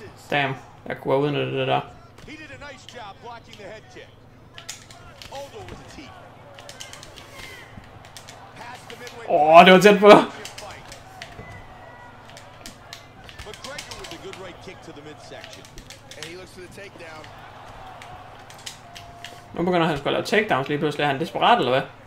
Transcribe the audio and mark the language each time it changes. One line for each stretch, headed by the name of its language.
Danish: Damn. Jeg kunne have udnyttet det der.
English: He did a nice job blocking the head kick. Aldo with a tee. Past the midway.
Danish: Åh, det var tæt på.
English: But Gregor with a good right kick to the midsection. And he looks for the takedown.
Danish: Nu begynder han at lave takedowns lige pludselig. Er han desperat eller hvad?